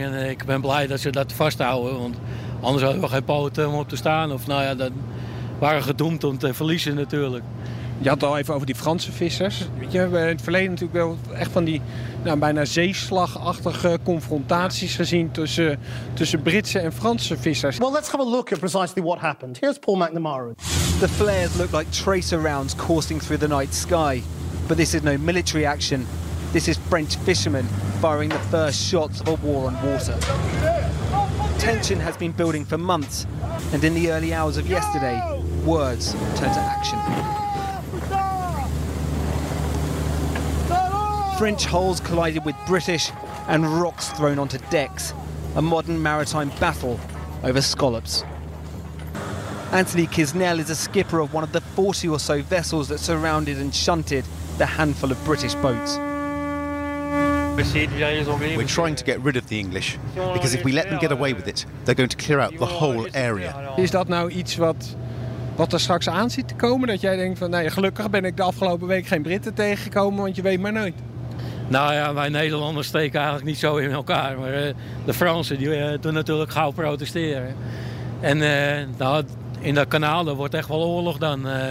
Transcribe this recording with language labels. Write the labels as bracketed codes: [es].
[nl] En ik ben blij dat ze dat vasthouden. Want anders hadden we geen poten om op te staan. Of nou ja, dan waren we gedoemd om te verliezen natuurlijk. Je had het al even over die Franse vissers. Weet je, we hebben in het verleden natuurlijk wel echt van die nou, bijna zeeslagachtige confrontaties gezien tussen Britse en Franse vissers. [en] Well, let's have a look at precisely what happened. Here's Paul McNamara. The flares look like tracer rounds coursing through the night sky. But this is no military action. This is French fishermen firing the first shots of a war on water. Tension has been building for months, and in the early hours of yesterday, words turned to action. French hulls collided with British and rocks thrown onto decks. A modern maritime battle over scallops. Anthony Kisnell is a skipper of one of the 40 or so vessels that surrounded and shunted the handful of British boats. We're trying to get rid of the English, because if we let them get away with it, they're going to clear out the whole area. [nl] Is dat nou iets wat er straks aan zit te komen? Dat jij denkt van, nee, gelukkig ben ik de afgelopen week geen Britten tegengekomen, want je weet maar nooit. Nou ja, wij Nederlanders steken eigenlijk niet zo in elkaar. Maar de Fransen die doen natuurlijk gauw protesteren. En in dat kanaal, daar wordt echt wel oorlog dan.